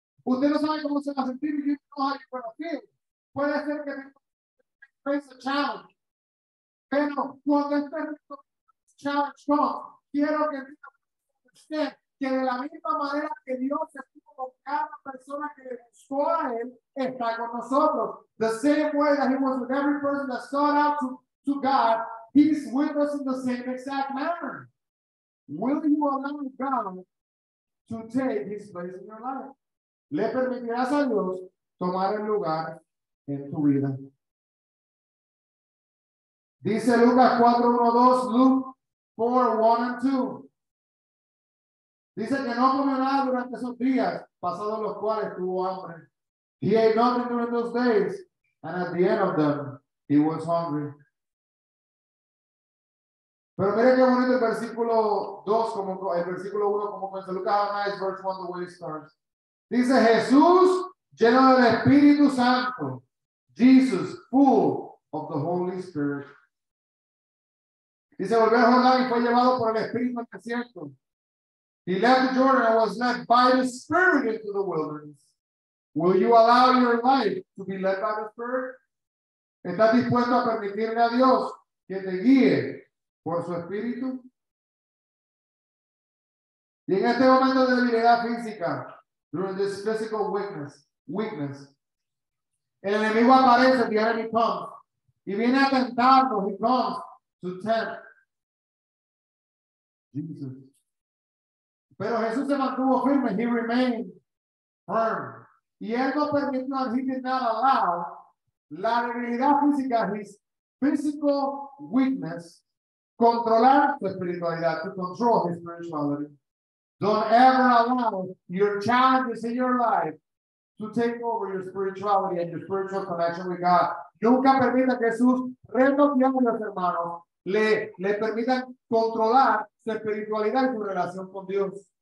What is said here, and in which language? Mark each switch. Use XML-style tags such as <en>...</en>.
<es>Usted no sabe cómo se va a sentir,</es> <en>you don't know how you're going to feel.</en> <es>Puede ser que</es> <en>face a challenge.</en> <es>Pero cuando este</es> <en>challenge comes,</en> <es>quiero que usted, que de la misma manera que Dios estuvo con cada persona que le buscó a él, está con nosotros.</es> <en>The same way that he was with every person that sought out to God, he's with us in the same exact manner. Will you allow God to take his place in your life?</en> <es>¿Le permitirás a Dios tomar el lugar en tu vida? Dice Lucas 4, 1, 2,</es> <en>Luke 4, 1 and 2.</en> <es>Dice que no comió nada durante esos días, pasados los cuales tuvo hambre.</es> <en>He ate nothing during those days, and at the end of them, he was hungry.</en> <es>Pero mire que bonito el versículo 2, como el versículo 1, como comienza.</es> <en>Look how nice verse 1, the way it starts.</en> <es>Dice Jesús, lleno del Espíritu Santo.</es> <en>Jesus, full of the Holy Spirit.</en> <es>Dice, volvió a Jordán y fue llevado por el Espíritu al desierto.</es> <en>He left Jordan and was led by the Spirit into the wilderness. Will you allow your life to be led by the Spirit?</en> <es>¿Estás dispuesto a permitirle a Dios que te guíe por su Espíritu? Y en este momento de debilidad física,</es> <en>during this physical weakness,</en> <es>el enemigo aparece,</es> <en>the enemy comes,</en> <es>y viene a tentarnos,</es> <en>he comes to tempt Jesus.</en> <es>Pero Jesús se mantuvo firme.</es> <en>He remained firm.</en> <es>Y él no permitió a nadie nada lado. La debilidad física,</es> <en>his physical weakness,</en> <es>controlar su espiritualidad,</es> <en>to control his spirituality. Don't ever allow your challenges in your life to take over your spirituality and your spiritual connection with God.</en> <es>Nunca permita que sus retos diarios, hermanos, le permitan controlar su espiritualidad y su relación con Dios.</es>